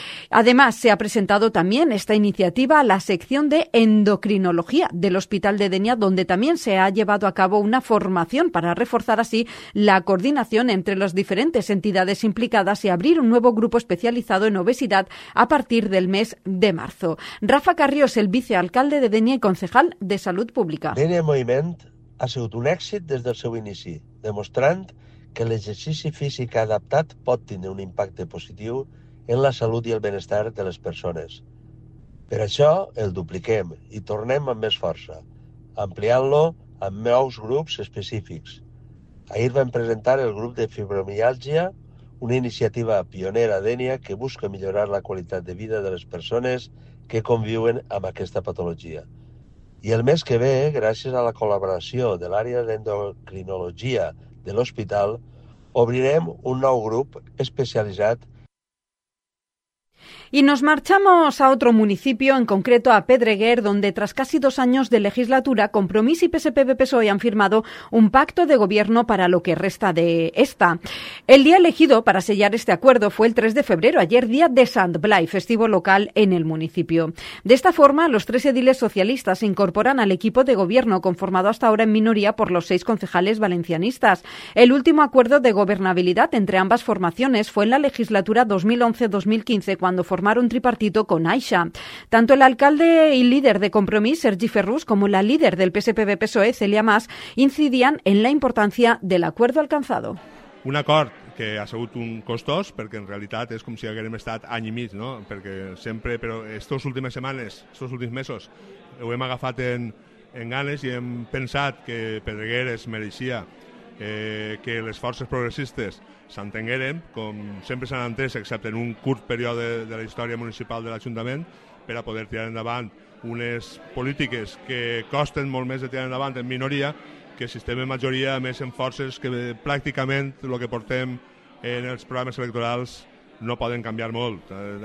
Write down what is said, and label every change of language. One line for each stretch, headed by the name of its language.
Spanish: Además, se ha presentado también esta iniciativa a la sección de endocrinología del Hospital de Denia, donde también se ha llevado a cabo una formación para reforzar así la coordinación entre las diferentes entidades implicadas y abrir un nuevo grupo especializado en obesidad a partir del mes de marzo.
Catalan: Rafa Carrió, el vicealcalde de Denia i concejal de Salut Pública. Denia Moviment ha sigut un èxit des del seu inici, demostrant que l'exercici físic adaptat pot tenir un impacte positiu en la salut i el benestar de les persones. Per això el dupliquem i tornem amb més força, ampliant-lo amb nous grups específics. Ahir vam presentar el grup de fibromialgia, una iniciativa pionera a Denia que busca millorar la qualitat de vida de les persones que conviuen amb aquesta patologia. I el mes que ve, gràcies a la col·laboració de l'àrea d'endocrinologia de l'hospital, obrirem un nou grup especialitzat.
Spanish: Y nos marchamos a otro municipio, en concreto a Pedreguer, donde tras casi dos años de legislatura, Compromís y PSPB-PSOE han firmado un pacto de gobierno para lo que resta de esta. El día elegido para sellar este acuerdo fue el 3 de febrero, ayer día de Sant Blai, festivo local en el municipio. De esta forma, los tres ediles socialistas se incorporan al equipo de gobierno, conformado hasta ahora en minoría por los seis concejales valencianistas. El último acuerdo de gobernabilidad entre ambas formaciones fue en la legislatura 2011-2015, cuando formar un tripartito con Aixa. Tanto el alcalde y líder de Compromís, Sergi Ferrús, como la líder del PSPB-PSOE, Celia Mas, incidían en la importancia del acuerdo alcanzado.
Catalan: Un acord que ha sigut un costós, perquè en realitat és com si haguérem estat any i mig, no? Perquè sempre, però estos últimes setmanes, estos últims mesos, ho hem agafat en ganes i hem pensat que Pedreguer es mereixia que les forces progressistes s'entengueren, com sempre s'han entès, excepte en un curt període de la història municipal de l'Ajuntament, per a poder tirar endavant unes polítiques que costen molt més de tirar endavant en minoria que si estem en majoria, a més en forces que pràcticament el que portem en els programes electorals no poden canviar molt.